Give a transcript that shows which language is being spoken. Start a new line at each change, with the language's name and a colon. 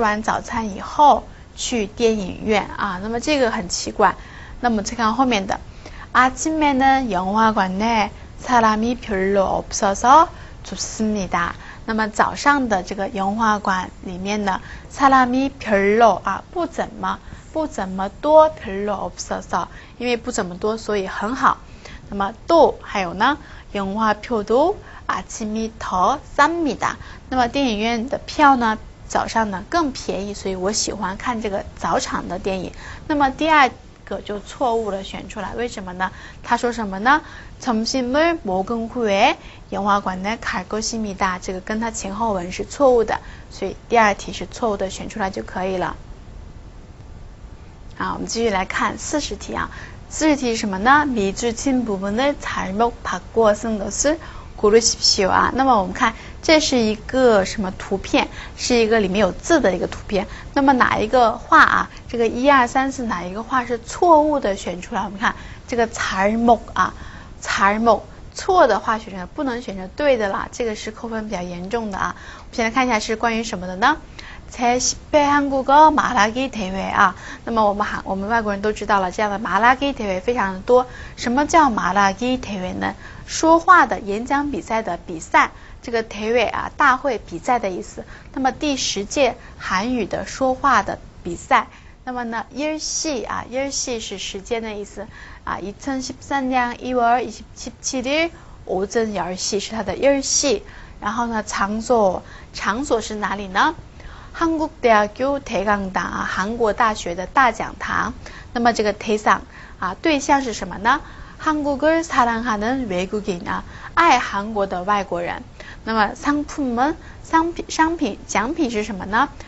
Chinese: 那么明天也在吃完早餐以后去电影院啊。那么这个很奇怪。那么再看后面的，
Korean: 아침에는 영화관에 사람이 별로 없어서 좋습니다.
Chinese: 那么早上的这个영화관里面呢， 사람이 별로 啊， 不怎么多， 별로 없어서， 因为不怎么多所以很好。那么또还有呢，
Korean: 영화표도 아침이 더 쌉니다，
Chinese: 那么电影院的票呢， 早上呢更便宜， 所以我喜欢看这个早场的电影。那么第二个就错误了选出来， 为什么呢？他说什么呢？
Korean: 점심을 먹은 후에 영화관에 갈 것입니다，
Chinese: 这个跟他前后文是错误的， 所以第二题是错误的选出来就可以了。我们继续来看40题啊。40题是什么呢？
Korean: 미주친 부분을 잘못 바꾸어 쓴 것을 고르십시오 啊。
Chinese: 那么我们看这是一个什么图片， 是一个里面有字的一个图片。那么哪一个话啊， 这个1234 哪一个话是错误的选出来？我们看， 这个 잘못 啊， 잘못， 错的话选出来， 不能选择对的啦， 这个是扣分比较严重的啊。我们先来看一下是关于什么的呢？
Korean: 제10회 한국어 말하기 대회 啊。
Chinese: 那么我们外国人都知道了， 这样的말하기 대회 非常的多。什么叫말하기 대회呢？说话的演讲比赛的比赛， 这个대회 啊， 大会比赛的意思。那么第10届韩语的说话的比赛。那么呢， 일시 啊， 일시是时间的意思。
Korean: 啊， 2013년 1월 27일 오전 10시
Chinese: 是它的
Korean: 일시。
Chinese: 然后呢， 场所， 场所是哪里呢？
Korean: 한국대학교 대강당
Chinese: 啊， 韩国大学的大讲堂。那么这个대상 啊， 对象是什么呢？
Korean: 한국을 사랑하는 외국인
Chinese: 啊， 爱韩国的外国人。那么상품은， 商品， 奖品是什么呢？